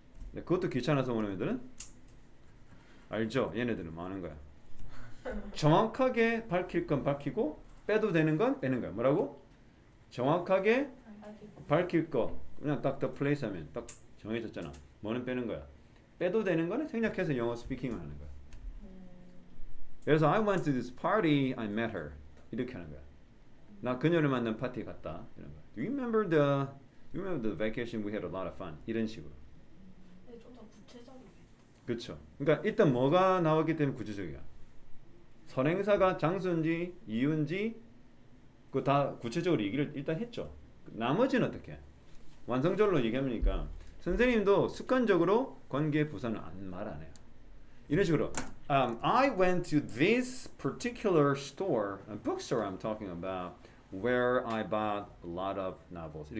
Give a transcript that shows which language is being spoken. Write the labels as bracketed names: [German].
[Korean] 근데 그것도 귀찮아서 원어민들은 알죠? 얘네들은 뭐 하는 거야? 정확하게 밝힐 건 밝히고 빼도 되는 건 빼는 거야. 뭐라고? 정확하게 밝힐 거 그냥 딱 더 플레이스 하면 딱 정해졌잖아. 뭐는 빼는 거야? 빼도 되는 거는 생략해서 영어 스피킹을 하는 거야. 그래서 [English] I went to this party, I met her. [Korean] 이렇게 하는 거야. 나 그녀를 만난 파티에 갔다. 이런 거야. [English] Do you remember the vacation? We had a lot of fun. [Korean] 이런 식으로. 네, 좀 더 구체적이게. 그렇죠. 그러니까 일단 뭐가 나왔기 때문에 구체적이야. 선행사가 장소인지 이유인지 그거 다 구체적으로 얘기를 일단 했죠. 나머지는 어떻게? 완성적으로 얘기하니까 선생님도 습관적으로 관계 부사는 안 말 안 해요. 이런 식으로 [English] I went to this particular store, a bookstore I'm talking about, where I bought a lot of novels.